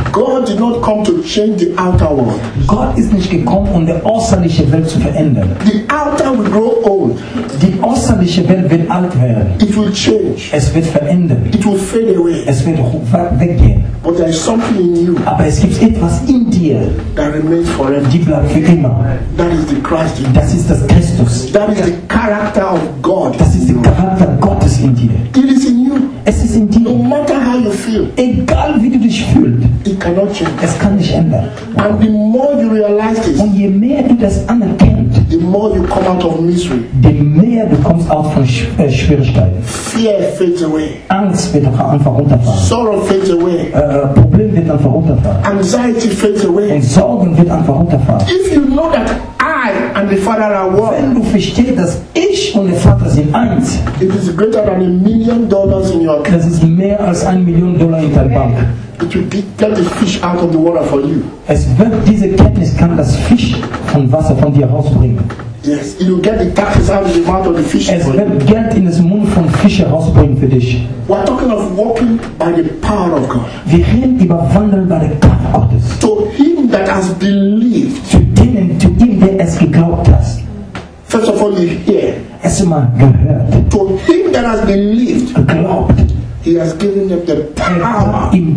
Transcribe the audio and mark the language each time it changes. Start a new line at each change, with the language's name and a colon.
English: God did not come to change the outer world.
German: Gott ist nicht gekommen, um die äußerliche Welt zu verändern.
English: The outer will grow old.
German: Die äußerliche Welt wird alt werden.
English: It will change.
German: Es wird verändern.
English: It will fade away.
German: Es wird weggehen.
English: But there is something in you.
German: Aber es gibt etwas in dir.
English: That remains forever.
German: Die bleibt für immer.
English: That is the Christ.
German: Das ist das Christus.
English: That is the character of God.
German: Das ist der Charakter Gottes in dir.
English: It is in you.
German: Es ist in dir.
English: No matter how you feel.
German: Egal wie du dich fühlst.
English: It cannot change.
German: Es kann nicht ändern.
English: And the more you realize this.
German: Und je mehr du das anerkennst.
English: The more you come out of misery.
German: Je mehr du kommst aus von Schwierigkeiten.
English: Fear fades away.
German: Angst wird einfach runterfallen.
English: Sorrow fades away.
German: Problem wird einfach runterfallen.
English: Anxiety fades away.
German: Und Sorgen wird einfach runterfallen.
English: If you know that I and the Father are one.
German: Wenn du verstehst, dass ich und der Vater sind eins.
English: It is greater than $1 million in your.
German: Das ist mehr als $1 million in deinem Bank.
English: It will get the fish out of the water for you.
German: Es wird diese Kenntnis kann das Fisch von Wasser von dir rausbringen.
English: Yes, it will get the taxes out of the mouth of the fish.
German: Es wird Geld in das Mund von Fischen rausbringen für dich.
English: We are talking of walking by the power of God.
German: Wir reden über Wandeln bei der Kraft Gottes.
English: To him that has believed.
German: Zu denen, zu ihm, der es geglaubt hat.
English: First of all, you hear.
German: Erstmal gehört.
English: To him that has believed.
German: Geglaubt.
English: He has given them the power in